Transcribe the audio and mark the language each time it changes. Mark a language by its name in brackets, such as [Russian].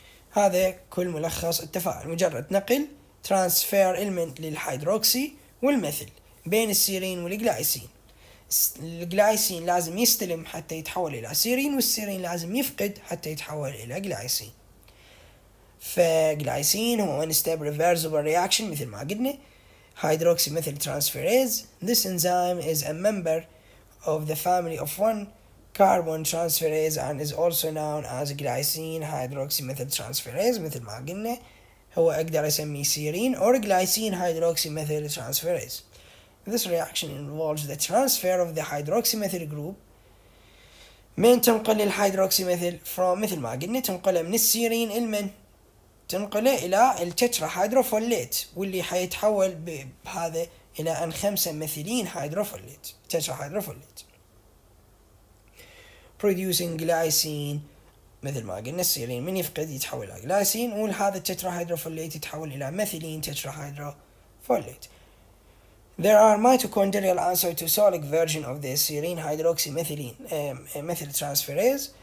[Arabic] هذا كل ملخص التفاعل، مجرد نقل ترانسفير المنت للهيدروكسي والمثل بين السيرين والجلايسين. الجلايسين لازم يستلم حتى يتحول الى سيرين، والسيرين لازم يفقد حتى يتحول الى جلايسين. فجلايسين هو ان ستيب ريفرسبل رياكشن مثل ما قلنا، هيدروكسي مثل ترانسفيريز. [English] This enzyme is a member of the family of one carbon transferase and is also known as glycine hydroxymethyl transferase. [Arabic] مثل ما قلنا هو اقدر اسمي سيرين [English] or glycine hydroxymethyl transferase. This reaction involves the transfer of the hydroxymethyl group. [Arabic] من تنقل الهيدروكسيميثيل from مثل ما قلنا تنقله من السيرين المن تنقله الى التترا هيدروفوليت واللي حيتحول بهذا الى ان 5 ميثيلين هيدروفوليت تترا هيدروفوليت [English] producing glycine [Arabic] مثل ما قلنا السيرين من يفقد يتحول الى جلايسين، وهذا التترا هيدروفوليت يتحول الى ميثيلين تترا هيدروفوليت. [English] There are mitochondrial isocytosolic version of the serine hydroxymethylene methyl transferase.